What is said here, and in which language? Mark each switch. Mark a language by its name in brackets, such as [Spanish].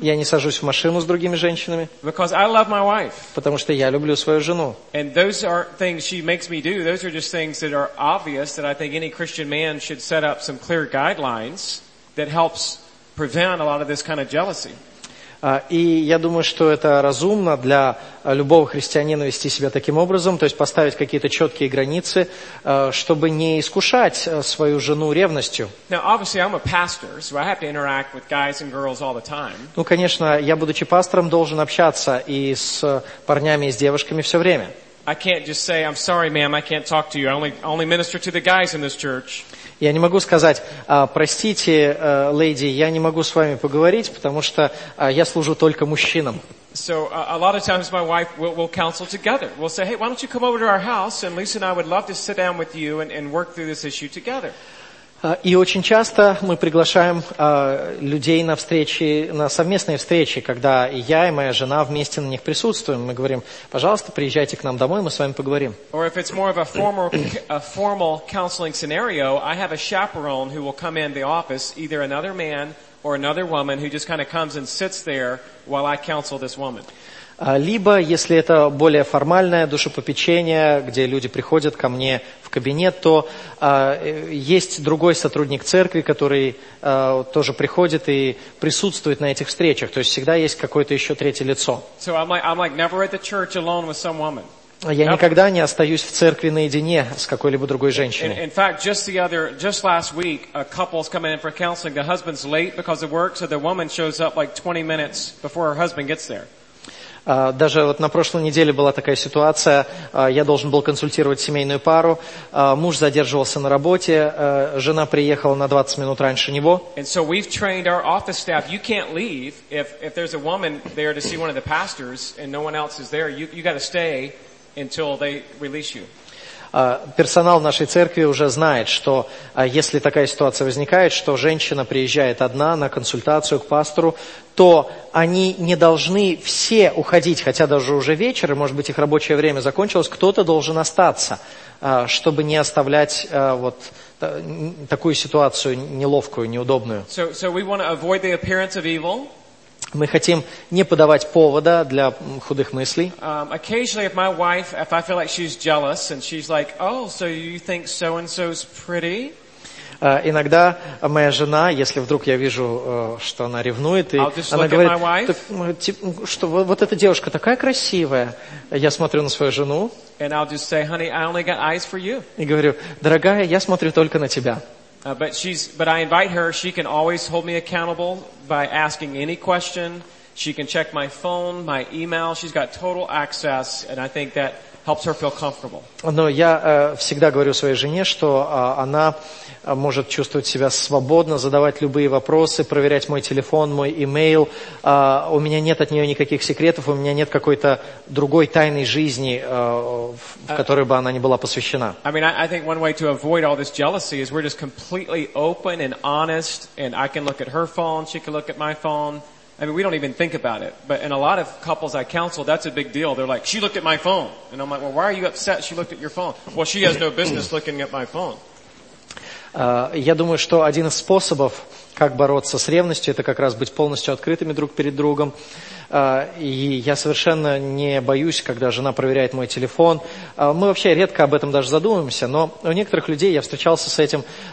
[Russian] Я не сажусь в машину с другими женщинами. [English] Because I love my wife. [Russian] Потому что я люблю свою жену. [English] And those are things she makes me do. Those are just things that are obvious that I think any Christian man should set up some clear guidelines that helps prevent a lot of this kind of jealousy. [Russian] И я думаю, что это разумно для любого христианина вести себя таким образом, то есть поставить какие-то четкие границы, чтобы не искушать свою жену ревностью. [English] Now, obviously, I'm a pastor, so I have to interact with guys and girls all the time. [Russian] Ну, конечно, я, будучи пастором, должен общаться и с парнями, и с девушками все время. [English] I can't just say, I'm sorry, ma'am, I can't talk to you. I only minister to the guys in this church. [Russian] Я не могу сказать, простите, леди, я не могу с вами поговорить, потому что я служу только мужчинам. [English] So a lot of times my wife will counsel together. We'll say, hey, why don't you come over to our house, and Lisa and I would love to sit down with you and work through this issue together. [Russian] И очень часто мы приглашаем людей на встречи, на совместные встречи, когда и я, и моя жена вместе на них присутствуем. Мы говорим, пожалуйста, приезжайте к нам домой, мы с вами поговорим. [English] Or if it's more of a formal counseling scenario, I have a chaperone who will come in the office, either another man or another woman, who just kind of comes and sits there while I counsel this woman. [Russian] Либо, если это более формальное душепопечение, где люди приходят ко мне в кабинет, то есть другой сотрудник церкви, который тоже приходит и присутствует на этих встречах. То есть всегда есть какое-то еще третье лицо. [English] So I'm like never at the church alone with some woman. [Russian] Я никогда не остаюсь в церкви наедине с какой-либо другой женщиной. [English] In fact, just last week, a couple's coming in for counseling. The husband's late because of work, so the woman shows up like 20 minutes before her husband gets there. [Russian] Даже вот на прошлой неделе была такая ситуация, я должен был консультировать семейную пару, муж задерживался на работе, жена приехала на 20 минут раньше него. [English] And so we've trained our office staff, you can't leave if there's a woman there to see one of the pastors and no one else is there, you got to stay until they release you. [Russian] Персонал нашей церкви уже знает, что если такая ситуация возникает, что женщина приезжает одна на консультацию к пастору, то они не должны все уходить, хотя даже уже вечер, и может быть их рабочее время закончилось, кто-то должен остаться, чтобы не оставлять вот такую ситуацию неловкую, неудобную. [English] So we want to avoid the appearance of evil. [Russian] Мы хотим не подавать повода для худых мыслей. Иногда моя жена, если вдруг я вижу, что она ревнует, и она говорит, что вот эта девушка такая красивая. Я смотрю на свою жену и говорю, дорогая, я смотрю только на тебя. [English] But I invite her. She can always hold me accountable by asking any question. She can check my phone, my email. She's got total access, and I think that helps her feel comfortable. [Russian] Но я всегда говорю своей жене, что она может чувствовать себя свободно, задавать любые вопросы, проверять мой телефон, мой email. У меня нет от нее никаких секретов. У меня нет какой-то другой тайной жизни, в которой бы она не была посвящена. [English] I mean, I think one way to avoid all this jealousy is we're just completely open and honest, and I can look at her phone, she can look at my phone. I mean, we don't even think about it. But in a lot of couples I counsel, that's a big deal. They're like, she looked at my phone. And I'm like, well, why are you upset she looked at your phone? Well, she has no business looking at my phone. [Russian] Я думаю, что один из способов, как бороться с ревностью, это как раз быть полностью открытыми друг перед другом. И я совершенно не боюсь, когда жена проверяет мой телефон. Мы вообще редко об этом даже задумываемся, но у некоторых людей я встречался с этим.